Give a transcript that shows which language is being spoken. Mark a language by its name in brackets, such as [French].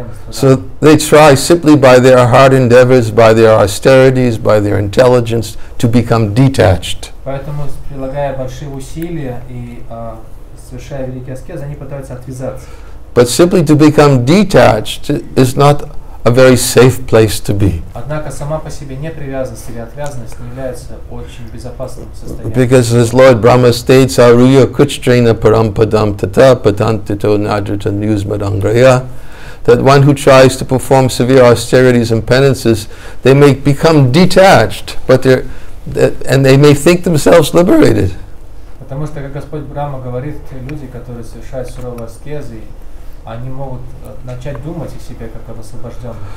[English] So they try simply by their hard endeavors, by their austerities, by their intelligence to become detached. [Russian] Поэтому, прилагая большие усилия и совершая великий аскез, они пытаются отвязаться. [English] But simply to become detached is not a very safe place to be. [Russian] Однако сама по себе непривязанность или отвязанность не является очень безопасным состоянием. [English] Because as Lord Brahma states, [Sanskrit] Aruya Kuchtrena Parampadam Tata Patantito Nadrita Nyusmadangraya, [English] that one who tries to perform severe austerities and penances, they may become detached, but and they may think themselves liberated. [Russian] Потому что, как Господь Брама говорит, те люди, которые совершают суровые аскезы, они могут начать думать о себе как об освобождённом.